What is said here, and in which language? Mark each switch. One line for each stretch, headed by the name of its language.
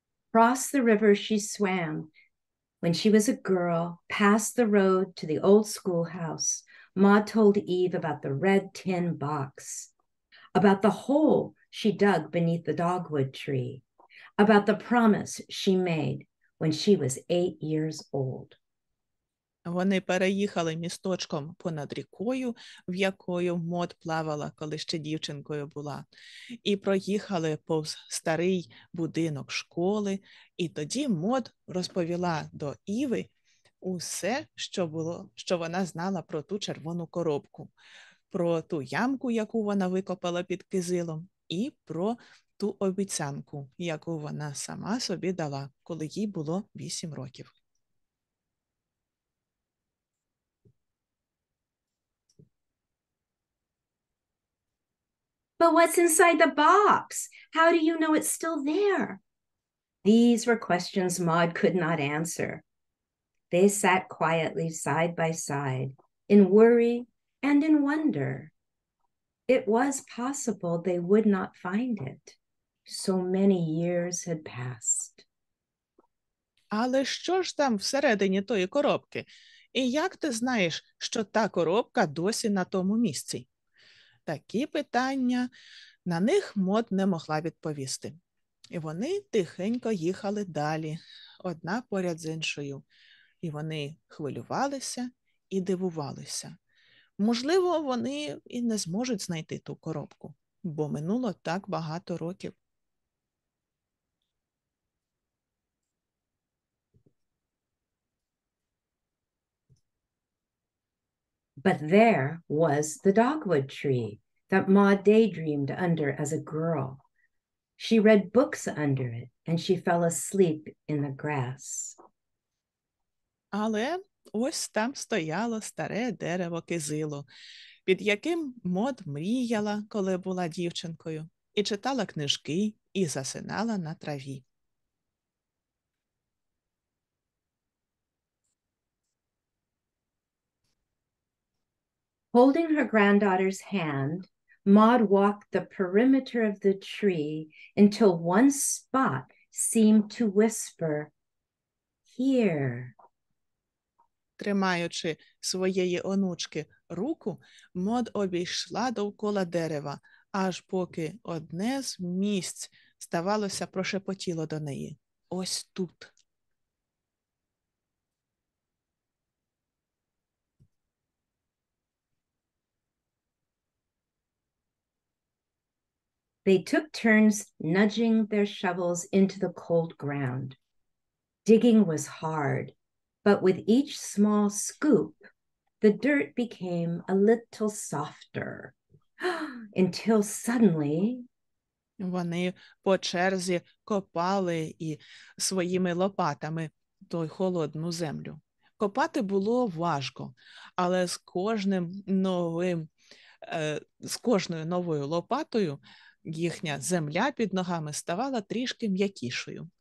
English: Across the river she swam when she was a girl, past the road to the old schoolhouse. Ma told Eve about the red tin box, about the hole she dug beneath the dogwood tree, about the promise she made when she was 8 years old.
Ukrainian: Вони переїхали місточком понад рікою, в якою Мод плавала, коли ще дівчинкою була, і проїхали повз старий будинок школи, і тоді Мод розповіла до Іви усе, що було, що вона знала про ту червону коробку, про ту ямку, яку вона викопала під кизилом, і про ту обіцянку, яку вона сама собі дала, коли їй було 8 років.
English: But what's inside the box? How do you know it's still there? These were questions Maud could not answer. They sat quietly side by side, in worry and in wonder. It was possible they would not find it. So many years had passed.
Ukrainian: Але що ж там всередині тої коробки? І як ти знаєш, що та коробка досі на тому місці? Такі питання, на них Мод не могла відповісти. І вони тихенько їхали далі, одна поряд з іншою. І вони хвилювалися і дивувалися. Можливо, вони і не зможуть знайти ту коробку, бо минуло так багато років.
English: But there was the dogwood tree that Maud daydreamed under as a girl. She read books under it and she fell asleep in the grass.
Ukrainian: Але ось там стояло старе дерево кизилу, під яким Мод мріяла, коли була дівчинкою, і читала книжки, і засинала на траві.
English: Holding her granddaughter's hand, Maud walked the perimeter of the tree until one spot seemed to whisper, "Here."
Ukrainian: Тримаючи своєї онучки руку, Мод обійшла довкола дерева, аж поки одне з місць, здавалося, прошепотіло до неї. Ось тут.
English: They took turns nudging their shovels into the cold ground. Digging was hard. But with each small scoop, the dirt became a little softer. Until suddenly...
Ukrainian: Вони по черзі копали і своїми лопатами той холодну землю. Копати було важко, але з кожним новим, з кожною новою лопатою їхня земля під ногами ставала трішки м'якішою.